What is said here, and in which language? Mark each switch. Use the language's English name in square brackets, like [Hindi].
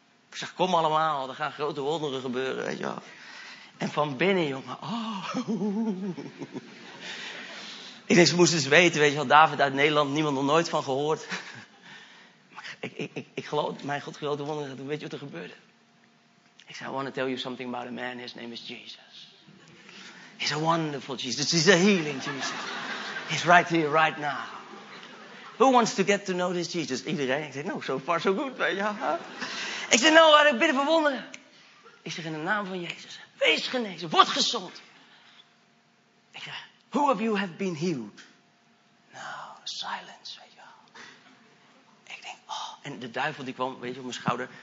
[Dutch] Ik zeg, kom allemaal, er gaan grote wonderen gebeuren, weet je wel. En van binnen, jongen. Oh. Ik denk, ze moesten eens weten, weet je wel, David uit Nederland, niemand nog nooit van gehoord. Maar ik geloof, mijn God, grote wonderen, weet je wat er gebeurde? Ik zei, [English] I want to tell you something about a man, his name is Jesus. He's a wonderful Jesus, he's a healing Jesus. He's right here, right now. Who wants to get to know this Jesus? [Dutch] Iedereen. Ik zei, [English] no, so far so good, [Dutch] weet je wel. Ik zei, [English] no, I'm a bit of a wonder. [Dutch] Ik zeg, in de naam van Jezus, wees genezen, word gezond. Ik zeg, [English] who of you have been healed? [Dutch] Nou, silence, weet je wel. Ik denk, oh, en de duivel die kwam, weet je, op mijn schouder.